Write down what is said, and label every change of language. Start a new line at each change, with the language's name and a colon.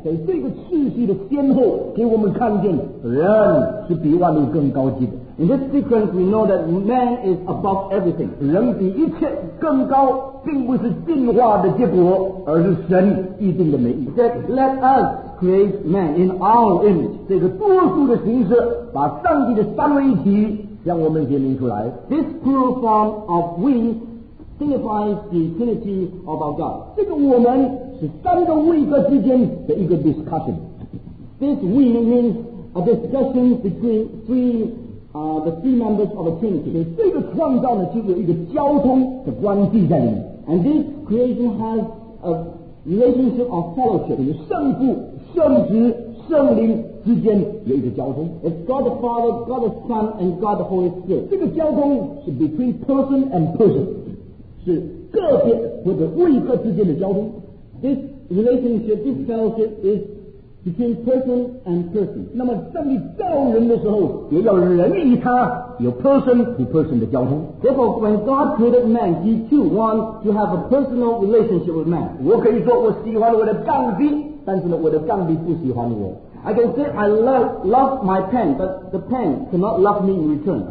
Chinese: 在这个次序的先后给我们看见人是比万物更高级的。
English: In this sequence we know that man is above everything。
Chinese: 人比一切更高并不是进化的结果，而是神预定的美意。
English: That let us create man in our image，
Chinese: 这个多数的形式把上帝的三位一体将我们显明出来。
English: This plural form of we signifies the trinity of our God。
Chinese: 这个我们是三个位格之间的一个 discussion。
English: This we means a discussion between the three members of a trinity。
Chinese: 所以这个创造呢就有一个交通的关系在里面。
English: And this creation has a relationship of fellowship。
Chinese: 就是圣父、圣子、圣灵之间有一个交通。
English: It's God the Father, God the Son, and God the Holy Spirit。
Chinese: 这个交通是
English: between person and person，
Chinese: 是个别或者位格之间的交通。
English: This relationship, this fellowship is between person and person。
Chinese: 那么当你造人的时候也要人与他有
English: person to person
Chinese: 的交通。
English: Therefore when God created man, he too wants to have a personal relationship with man。
Chinese: 我可以说我喜欢我的杠铃，但是呢我的杠铃不喜欢我。
English: I can say I love my pen, but the pen cannot love me in return。